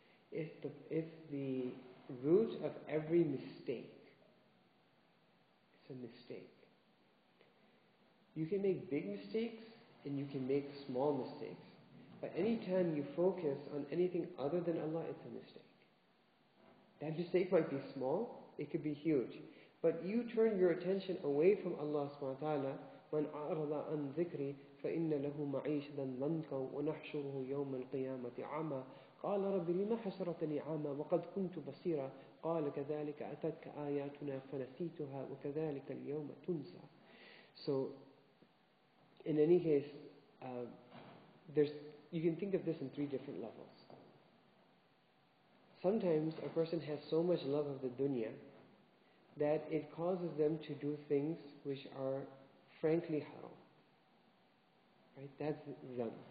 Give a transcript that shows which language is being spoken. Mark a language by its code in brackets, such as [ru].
[en] It's the root of every mistake. It's a mistake. You can make big mistakes, and you can make small mistakes. But any time you focus on anything other than Allah, it's a mistake. That mistake might be small, it could be huge. But you turn your attention away from Allah subhanahu wa ta'ala, [ar] مَنْ أَعْرَضَ عَنْ ذِكْرِي فَإِنَّ لَهُ مَعِيشًا ضَنكًا وَنَحْشُرُهُ يَوْمَ الْقِيَامَةِ عَمًى قَالَ رَبِّ لِمَ حَشَرْتَنِي عَمًى وَقَدْ كُنْتُ بَصِيرًا قَالَ كَذَلِكَ أَتَتْكَ آيَاتُنَا فَنَسِيتُهَا وَكَذَلِكَ الْيَوْمَ تُنْسَى. [en] So, in any case, you can think of this in three different levels. Sometimes a person has so much love of the dunya that it causes them to do things which are frankly haram. Right? That's them.